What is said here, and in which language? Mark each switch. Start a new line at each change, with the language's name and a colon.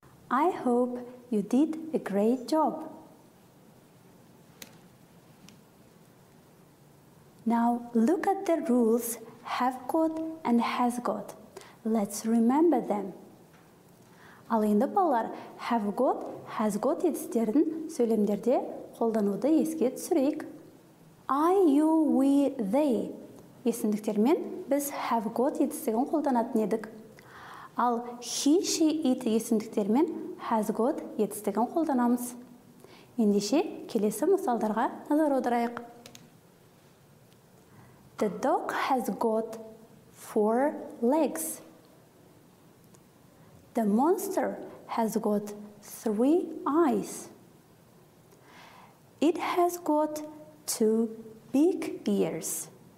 English: I hope you did a great job. Now look at the rules have got and has got. Let's remember them.
Kazakh: Ал енді балалар have got, has got етістерін сөйлемдерде қолдануды еске түсірейік. I, you, we, they есімдіктермен біз have got етістігін қолданатын едік. Ал he, she, it есімдіктермен has got етістігін қолданамыз. Ендеше келесі мысалдарға назар аударайық.
English: The dog has got four legs. The monster has got three eyes. It has got two big ears.